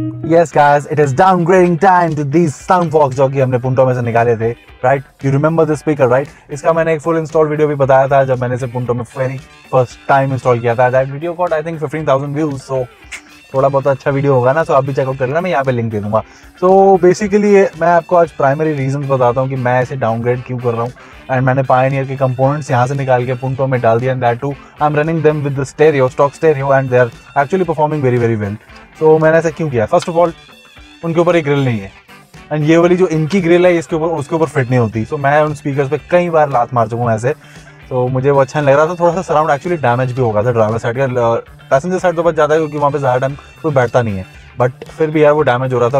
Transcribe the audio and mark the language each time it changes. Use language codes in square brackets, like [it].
[en] Yes guys, it is downgrading time to these soundfox जो कि हमने punto में से निकाले थे, right? You remember the speaker, right? [hi] इसका मैंने एक full install video भी बताया था जब मैंने इसे punto में very first time install किया था. That video got I think 15,000 views, so थोड़ा बहुत अच्छा video होगा ना, so आप भी चेकआउट कर लेना, मैं यहाँ पे link दे दूँगा. So basically मैं आपको आज primary reasons बताता हूँ कि मैं इसे downgrade क्यों कर रहा हूँ. [en] And मैंने pioneer के components यहाँ से निकाल के punto में डाल दिया, and that too I'm running them with the stereo, stock stereo, and they are actually performing very very well. [hi] तो मैंने ऐसा क्यों किया, फर्स्ट ऑफ ऑल उनके ऊपर एक ग्रिल नहीं है, एंड ये वाली जो इनकी ग्रिल है इसके ऊपर उसके ऊपर फिट नहीं होती. सो मैं उन स्पीकर्स पे कई बार लात मार चुका हूँ ऐसे, तो मुझे वो अच्छा नहीं लग रहा था. थोड़ा सा सराउंड एक्चुअली डैमेज भी होगा था ड्राइवर साइड का, पैसेंजर साइड तो बहुत ज़्यादा है क्योंकि वहाँ पे ज़्यादा टाइम कोई बैठता नहीं है, बट फिर भी यार वो डैमेज हो रहा था.